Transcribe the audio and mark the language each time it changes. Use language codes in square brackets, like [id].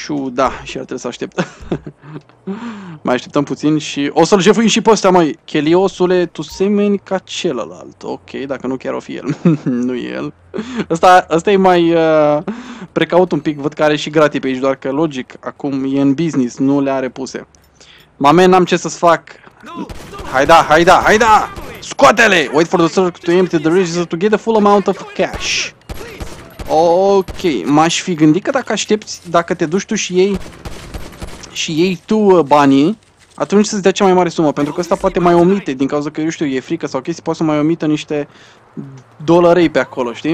[ro] Da, și ar trebui să aștept. Mai așteptăm puțin și o să-l jefuim și pe ăsta, măi. Cheliosule, tu semeni ca celălalt. Ok, dacă nu chiar o fi el. Nu el. Ăsta e mai precaut un pic. Văd că are și gratii pe aici, doar că logic. Acum e în business, nu le are puse. Mame, n-am ce să-ți fac. Hai da. Scoate-le! [en] Wait for the circle to empty the register to get the full amount of cash. [ro] Ok, m-aș fi gândit că dacă aștepți, dacă te duci tu și ei și ei tu banii, atunci să-ți dea cea mai mare sumă, pentru că ăsta poate mai omite, din cauza că, eu știu, e frică sau chestii, poate să mai omită niște dolarei pe acolo, știi?